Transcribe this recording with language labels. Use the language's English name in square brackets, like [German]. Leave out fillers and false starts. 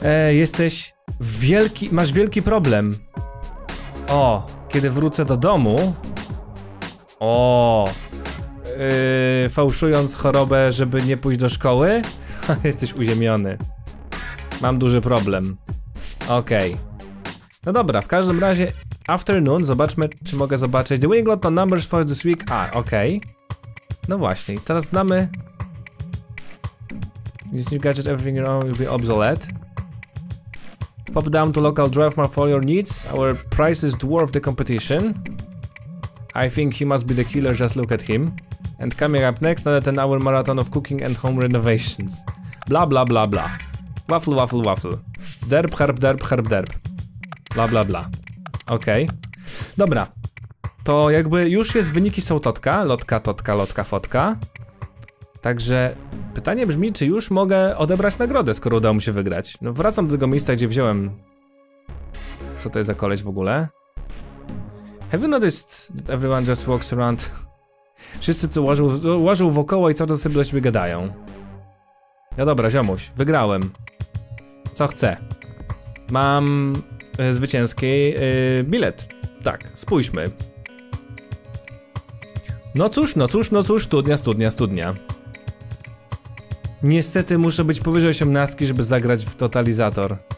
[Polish] Jesteś wielki, masz wielki problem. O, kiedy wrócę do domu. O. Fałszując chorobę, żeby nie pójść do szkoły? Jesteś uziemiony. Mam duży problem. Okej. No dobra, w każdym razie afternoon, zobaczmy, czy mogę zobaczyć. [English] The Winglot to numbers for this week. [Polish] A, okej. No właśnie, teraz znamy. [English] This new gadget, everything you know will be obsolete. Pop down to local drive mark for your needs. Our prices dwarf the competition. I think he must be the killer, just look at him. And coming up next, another 10 hour marathon of cooking and home renovations. Bla bla bla bla. Waffle, waffle, waffle. Derp, herb, derp, herb, derp. Bla bla bla. Okej. Okay. Dobra. [Polish] To jakby już jest, wyniki są totka. Lotka, totka, lotka, fotka. Także pytanie brzmi, czy już mogę odebrać nagrodę, skoro udało mi się wygrać. No wracam do tego miejsca, gdzie wziąłem. Co to jest za koleś w ogóle? [English] Have you noticed that everyone just walks around? [Polish] Wszyscy tu łażą wokoło i co to sobie do siebie gadają. No dobra, ziomuś, wygrałem. Co chcę? Mam zwycięski bilet. Tak, spójrzmy. No cóż, no cóż, no cóż, studnia, studnia, studnia. Niestety muszę być powyżej 18, żeby zagrać w totalizator.